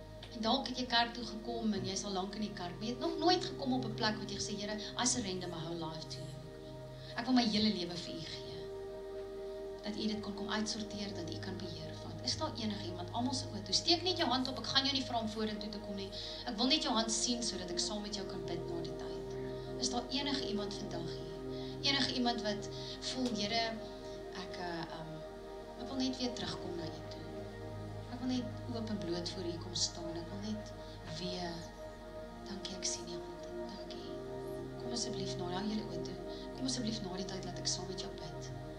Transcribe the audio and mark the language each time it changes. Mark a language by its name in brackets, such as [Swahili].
[Afrikaans] En dalk het jy kerk toe gekom en jy is al lank in die kerk. Jy het nog nooit gekom op 'n plek wat jy gesê, Here, [English] I surrender my whole life to you. [Afrikaans] Ek wil my hele lewe vir u gee. Dat u dit kon kom uitsorteer, dat u kan beheer van. Is daar enige iemand, almal se oë toe, steek net jou hand op, ek gaan jou nie vra om vorentoe te kom nie. Ek wil net jou hand sien, so dat ek saam met jou kan bid na die tyd. Is daar enige iemand vandag hier? Enige iemand wat voel, Here, ek wil net weer terugkom na u. Ek wil net oop en bloot voor u kom staan. Ek wil net weer, dankie, ek sien jou. Dankie. Kom asseblief na, hang julle oë toe. Kom asseblief na die tyd dat ek saam met jou bid.